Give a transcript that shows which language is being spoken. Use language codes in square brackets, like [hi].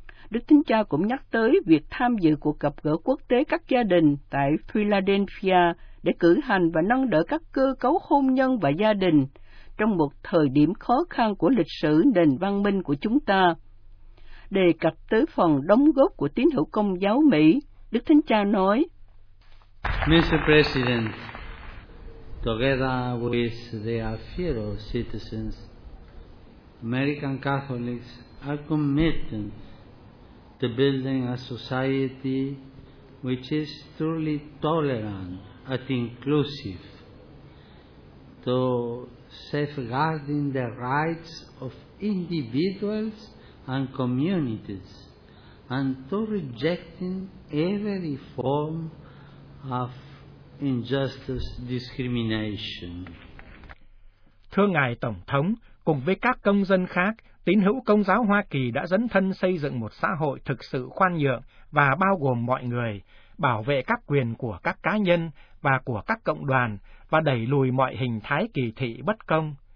[vi] Đức Thánh Cha cũng nhắc tới việc tham dự cuộc gặp gỡ quốc tế các gia đình tại Philadelphia để cử hành và nâng đỡ các cơ cấu hôn nhân và gia đình trong một thời điểm khó khăn của lịch sử nền văn minh của chúng ta. Đề cập tới phần đóng góp của tín hữu Công giáo Mỹ, Đức Thánh Cha nói, [en] Mr. President, together with their fellow citizens, American Catholics are committed to building a society which is truly tolerant and inclusive, to safeguarding the rights of individuals and communities, and to rejecting every form of injustice discrimination. [vi] Thưa Ngài Tổng thống, cùng với các công dân khác, tín hữu Công giáo Hoa Kỳ đã dấn thân xây dựng một xã hội thực sự khoan nhượng và bao gồm mọi người, bảo vệ các quyền của các cá nhân và của các cộng đoàn và đẩy lùi mọi hình thái kỳ thị bất công.